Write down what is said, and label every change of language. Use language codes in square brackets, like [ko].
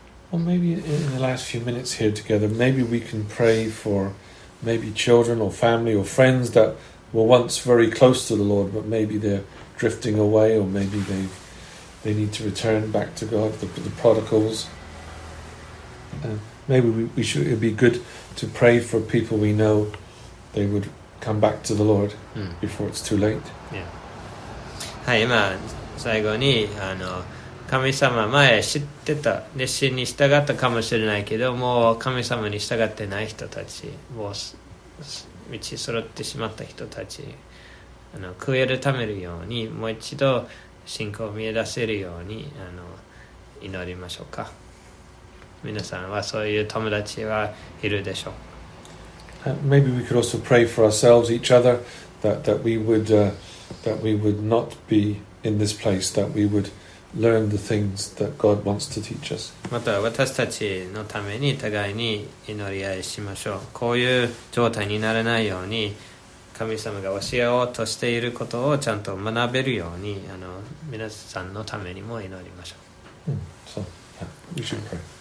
[en] Well, maybe in the last few minutes here together, maybe we can pray for maybe children or family or friends that were once very close to the Lord, but maybe they're drifting away, or maybe they need to return back to God, the prodigals. Maybe we should, it'd be good to pray for people we know they would come back to the Lord before it's too late. Yeah. [ja] はい、今最後に神様前知ってた、熱心に従ったかもしれないけど、もう神様に従ってない人たち、もう道揃ってしまった人たち、悔い改めるように、もう一度信仰を見出せるように祈りましょうか。皆さんはそういう友達はいるでしょう。 [en] Maybe we could also pray for ourselves, each other, that we would not be in this place, that we wouldLearn the things that God wants to teach us. [ja] また私たちのために互いに祈り合いしましょう。こういう状態にならないように、神様が教えようとしていることをちゃんと学べるように、皆さんのためにも祈りましょう。 [en] So, yeah, we should pray.